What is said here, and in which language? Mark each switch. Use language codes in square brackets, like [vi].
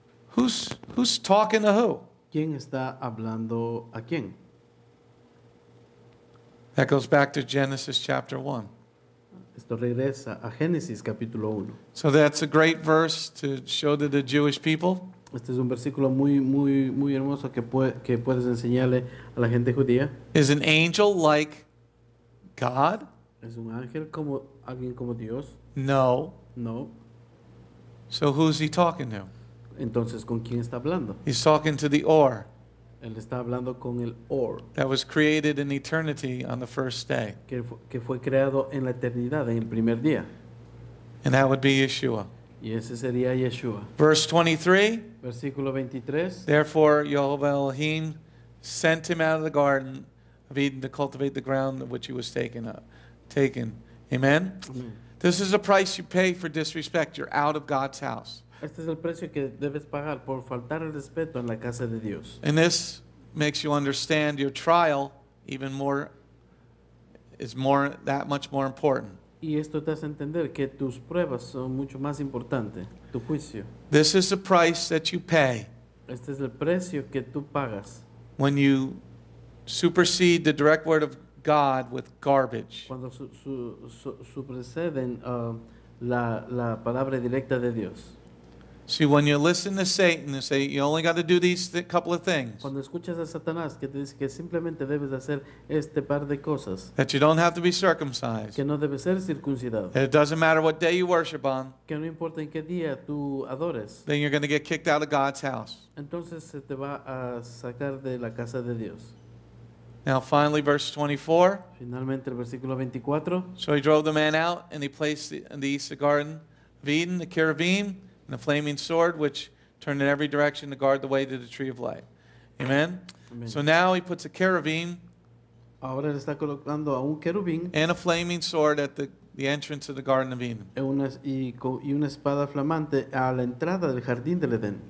[en] Who's talking to who? [es] ¿Quién está hablando a quién? [en] That goes back to Genesis chapter 1. [es] Esto regresa a Génesis capítulo 1. [en] So that's a great verse to show to the Jewish people. [es] Este es un versículo muy muy muy hermoso que puedes enseñarle a la gente judía. [en] Is an angel like God? [es] ¿Es un ángel como alguien como Dios? [en] No. [es] No. [en] So who's he talking to? [es] Entonces, ¿con quién está hablando? [en] He's talking to the Or. [es] Él está hablando con el Or. [en] That was created in eternity on the first day. [es] Que fue creado en la eternidad, en el primer día. [en] And that would be Yeshua. [es] Y ese sería Yeshua. [en] Verse 23. [es] Versículo 23. [en] Therefore, Yehovah Elohim sent him out of the garden of Eden to cultivate the ground of which he was taken. Amen? Amen. This is the price you pay for disrespect. You're out of God's house. [es] Este es el precio que debes pagar por faltar el respeto en la casa de Dios. [en] And this makes you understand your trial even more, is more that much more important. [es] Y esto te hace entender que tus pruebas son mucho más importantes, tu juicio. [en] This is the price that you pay. [es] Este es el precio que tú pagas. [en] When you supersede the direct word of God with garbage. [es] Cuando superseden la palabra directa de Dios. [en] See, when you listen to Satan and say, you only got to do these couple of things. [es] Cuando escuchas a Satanás que te dice que simplemente debes hacer este par de cosas. [en] That you don't have to be circumcised. [es] Que no debes ser circuncidado. [en] It doesn't matter what day you worship on. [es] Que no importa en qué día tú adores. [en] Then you're going to get kicked out of God's house. [es] Entonces se te va a sacar de la casa de Dios. [en] Now finally, verse 24. [es] Finalmente el versículo 24. [en] So he drove the man out and he placed in the east garden of Eden, the cherubim, and the flaming sword, which turned in every direction to guard the way to the tree of life. Amen? Amen. So now he puts a cherubim. [es] Ahora está colocando a un querubín. [en] And a flaming sword at the entrance of the Garden of Eden. [es] Y una espada flamante a la entrada del jardín del Edén.